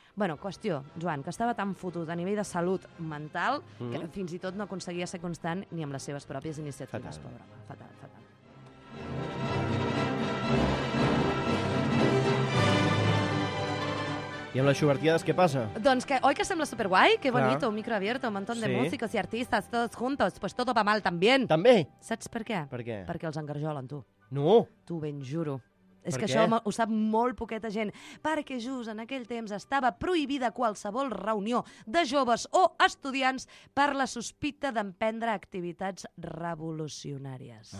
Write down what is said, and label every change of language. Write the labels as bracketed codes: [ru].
[ca] Bueno, qüestió, Joan, que estava tan fotut a nivell de salut mental que fins i tot no aconseguia ser constant ni amb les seves pròpies iniciatives. Fatal. Pobre. Fatal, fatal. I amb les Schubertiades què passa? Doncs que, oi que sembla superguai? [es] Que bonito, un micro abierto, un montón de músicos y artistas, todos juntos, pues todo va mal también. [ca] També? Saps per què? Per què? Perquè els engarjolen, tu. No. T'ho ben juro. És que això ho sap molt poqueta gent. Perquè just en aquell temps estava prohibida qualsevol reunió de joves o estudiants per la sospita d'emprendre activitats revolucionàries.